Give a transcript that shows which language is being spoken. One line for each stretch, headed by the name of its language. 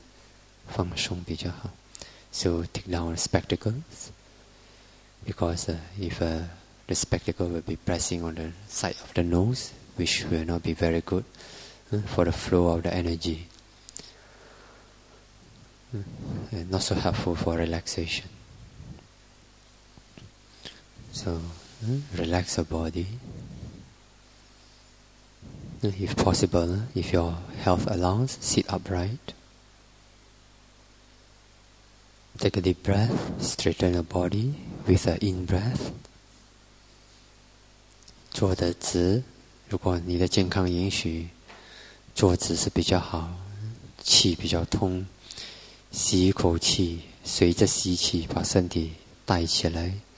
Chinese: 那个气不通，会带来压力感，放松比较好。
English: So take down the spectacles, because if the spectacle will be pressing on the side of the nose, which will not be very good for the flow of the energy, and not so helpful for relaxation. So relax your body. If possible, if your health allows, sit upright. Take a deep breath, straighten your body with an in-breath.
Chinese: 坐得直，如果你的健康允许，坐直是比较好，气比较通，吸一口气，随着吸气把身体带起来。